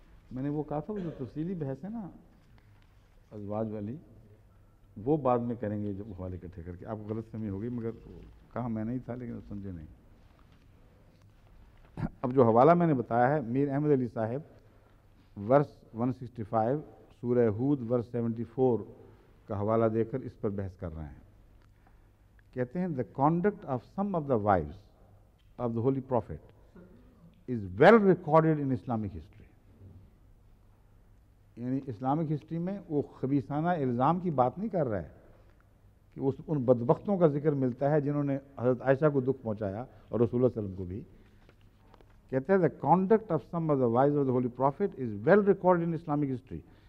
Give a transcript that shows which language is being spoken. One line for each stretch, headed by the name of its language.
Urdu: میں نے وہ کہا تھا, وہ جو تفصیلی بحث ہے نا ازواج والی, وہ بعد میں کریں گے جب حوالے اکٹھے کر کے, آپ کو غلط فہمی ہوگی, مگر کہا میں نہیں تھا لیکن سمجھے نہیں. اب جو حوالہ میں نے بتایا ہے, میر احمد علی صاحب ورس 165 سورہ ہود ورس 74 کا حوالہ دے کر اس پر بحث کر رہے ہیں. کہتے ہیں
English: The conduct of some of the wives of the holy prophet is well recorded in Islamic history.
Urdu: یعنی اسلامک ہسٹری میں وہ خبیثانہ الزام کی بات نہیں کر رہا ہے کہ اس ان بدبختوں کا ذکر ملتا ہے جنہوں نے حضرت عائشہ کو دکھ پہنچایا اور رسول اللہ صلی اللہ علیہ وسلم کو بھی. کہتے ہیں
English: the conduct of some of the wives of the Holy Prophet is well recorded in Islamic history.